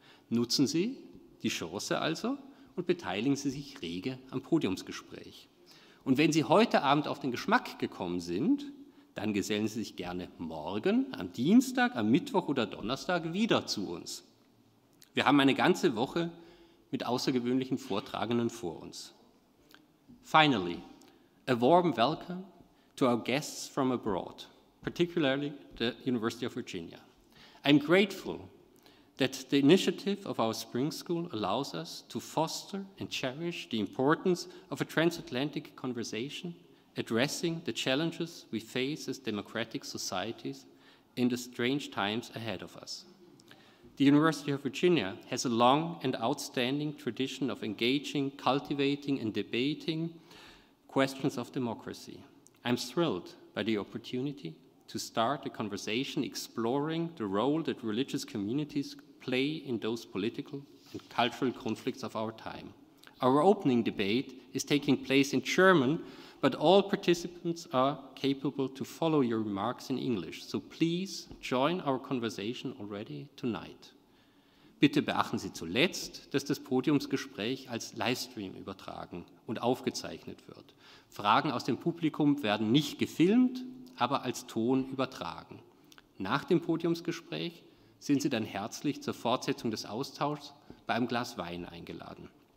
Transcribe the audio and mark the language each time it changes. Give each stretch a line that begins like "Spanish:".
German: Nutzen Sie die Chance also und beteiligen Sie sich rege am Podiumsgespräch. Und wenn Sie heute Abend auf den Geschmack gekommen sind, dann gesellen Sie sich gerne morgen, am Dienstag, am Mittwoch oder Donnerstag wieder zu uns. Wir haben eine ganze Woche mit außergewöhnlichen Vortragenden vor uns.
English: Finally, a warm welcome to our guests from abroad, particularly the University of Virginia. I'm grateful that the initiative of our Spring School allows us to foster and cherish the importance of a transatlantic conversation addressing the challenges we face as democratic societies in the strange times ahead of us. The University of Virginia has a long and outstanding tradition of engaging, cultivating, and debating questions of democracy. I'm thrilled by the opportunity to start a conversation exploring the role that religious communities play in those political and cultural conflicts of our time. Our opening debate is taking place in German, but all participants are capable to follow your remarks in English. So please join our conversation already tonight.
German: Bitte beachten Sie zuletzt, dass das Podiumsgespräch als Livestream übertragen und aufgezeichnet wird. Fragen aus dem Publikum werden nicht gefilmt, aber als Ton übertragen. Nach dem Podiumsgespräch sind Sie dann herzlich zur Fortsetzung des Austauschs bei einem Glas Wein eingeladen.